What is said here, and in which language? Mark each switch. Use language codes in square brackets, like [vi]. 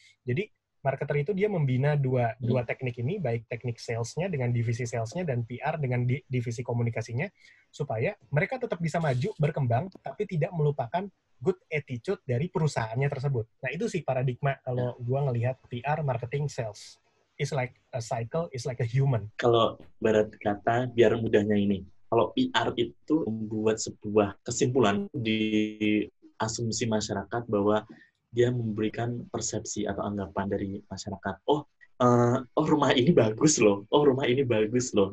[id] Jadi marketer itu dia membina dua teknik ini, baik teknik salesnya dengan divisi salesnya dan PR dengan divisi komunikasinya, supaya mereka tetap bisa maju, berkembang, tapi tidak melupakan good attitude dari perusahaannya tersebut. Nah, itu sih paradigma kalau gue ngelihat PR, marketing, sales. [en] It's like a cycle, it's like a human. [id] Kalau barat kata, biar mudahnya ini, kalau PR itu membuat sebuah kesimpulan di asumsi masyarakat bahwa dia memberikan persepsi atau anggapan dari masyarakat. Oh, oh rumah ini bagus loh, oh rumah ini bagus loh.